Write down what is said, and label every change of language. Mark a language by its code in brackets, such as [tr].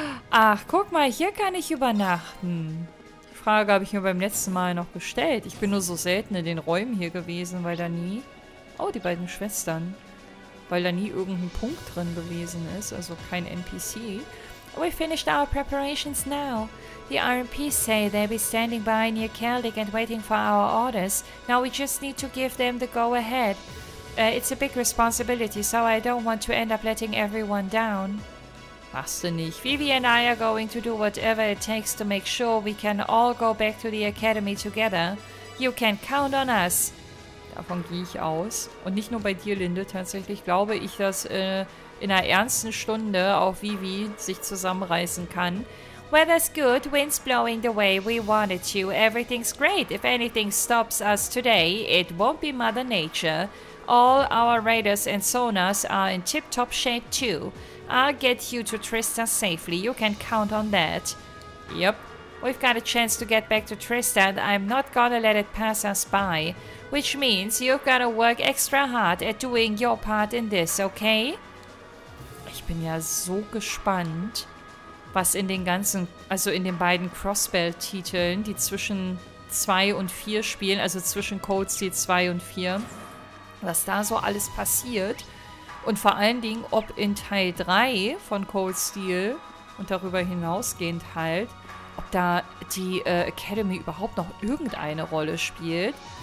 [de] Ach, guck mal, hier kann ich übernachten. Die Frage habe ich mir beim letzten Mal noch gestellt. Ich bin nur so selten in den Räumen hier gewesen, weil da nie... Oh, die beiden Schwestern. Weil da nie irgendein Punkt drin gewesen ist, also kein NPC. [en] We finished our preparations now. The RMPs say they'll be standing by near Keldic and waiting for our orders. Now we just need to give them the go-ahead. It's a big responsibility, so I don't want to end up letting everyone down. [de] Machst du nicht. [en] Vivi and I are going to do whatever it takes to make sure we can all go back to the Academy together. You can count on us. [de] Davon gehe ich aus. Und nicht nur bei dir, Linde. Tatsächlich glaube ich, dass in einer ernsten Stunde auch Vivi sich zusammenreißen kann. [en] Weather's good, wind's blowing the way we want it to. Everything's great. If anything stops us today, it won't be Mother Nature. All our radars and sonars are in tip-top shape too. I'll get you to Trista safely. You can count on that. Yep. We've got a chance to get back to Trista and I'm not gonna let it pass us by. Which means you've gotta work extra hard at doing your part in this, okay? [de] Ich bin ja so gespannt, was in den ganzen, also in den beiden Crossbell-Titeln, die zwischen 2 und 4 spielen, also zwischen Code Steel 2 und 4, was da so alles passiert und vor allen Dingen, ob in Teil 3 von Cold Steel und darüber hinausgehend halt, ob da die Academy überhaupt noch irgendeine Rolle spielt.